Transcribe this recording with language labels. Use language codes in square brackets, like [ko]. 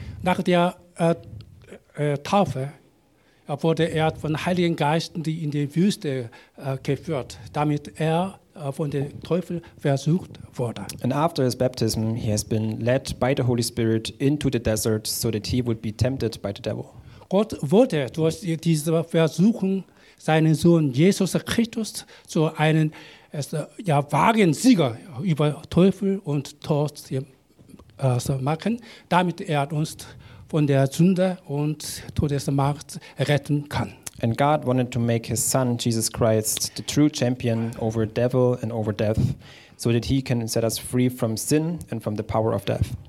[de] Nach der Taufe wurde er von Heiligen Geisten in die Wüste geführt, damit er von dem Teufel versucht wurde. [en] And after his baptism, he has been led by the Holy Spirit into the desert, so that he would be tempted by the devil. [de] Gott wollte durch diese Versuchung seinen Sohn Jesus Christus zu einem wahren Sieger über Teufel und Tod machen, damit er uns von der Sünde und Todesmacht retten kann. [en] And God wanted to make his son, Jesus Christ, the true champion over devil and over death, so that he can set us free from sin and from the power of death.